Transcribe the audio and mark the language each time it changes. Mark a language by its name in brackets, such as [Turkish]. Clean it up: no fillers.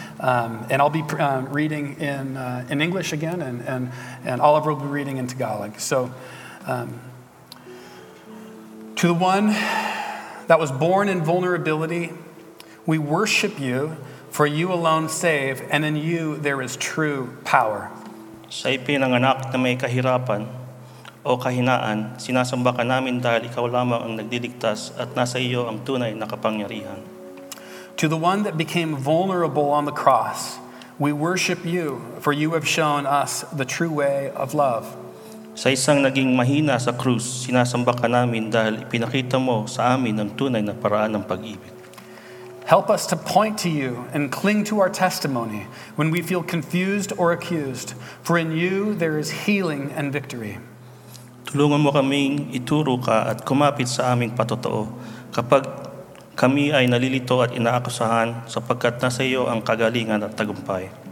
[English] And I'll be reading in English again, and Oliver will be reading in Tagalog. So to the one that was born in vulnerability, we worship you, for you alone save, and in you there is true power. [Filipino] Sa ipinanganak na may kahirapan o kahinaan, sinasamba ka namin dahil ikaw lamang ang nagdidiktas at nasa iyo ang tunay na kapangyarihan. [English] To the one that became vulnerable on the cross, we worship you, for you have shown us the true way of love. [Filipino] Sa isang naging mahina sa krus, sinasamba ka namin dahil ipinakita mo sa amin ang tunay na paraan ng pag-ibig. [English] Help us to point to you and cling to our testimony when we feel confused or accused, for in you there is healing and victory. [Filipino] Tulungan mo kaming ituro ka at kumapit sa aming patotoo kapag kami ay nalilito at inaakusahan, sapagkat nasa iyo ang kagalingan at tagumpay.